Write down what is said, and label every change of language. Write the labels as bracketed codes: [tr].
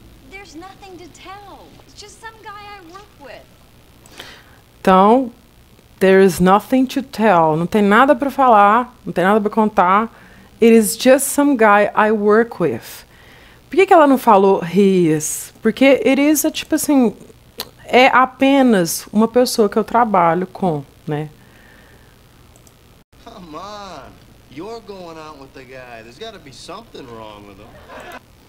[en] There's nothing to tell. It's just some guy I work with. Então, there is nothing to tell. [pt] Não tem nada para falar, não tem nada para contar. [en] It is just some guy I work with. [pt] Por que que ela não falou [en] he is? [pt] Porque [en] it is [pt] é tipo assim, é apenas uma pessoa que eu trabalho com, né? [en] Come on, you're going out with the guy. There's got to be something wrong with him.